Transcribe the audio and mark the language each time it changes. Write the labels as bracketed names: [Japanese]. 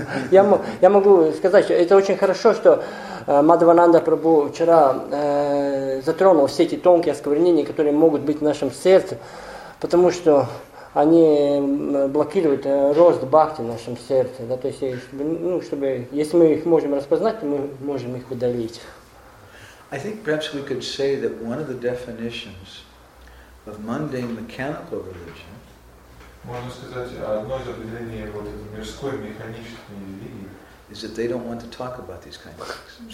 [Russian] Я могу сказать, что это очень хорошо, что Мадхавананда Прабху вчера затронул все эти тонкие осквернения, которые могут быть в нашем сердце, потому что они блокируют рост бхакти в нашем сердце. Да, то есть, если мы их можем распознать, то мы можем их удалить. [English] I think perhaps we could say that one of the definitions of mundane mechanical religion. [Russian] Можно сказать, одно из определений вот этой мирской механической религии. [English] Is that they don't want to talk about these kinds of things.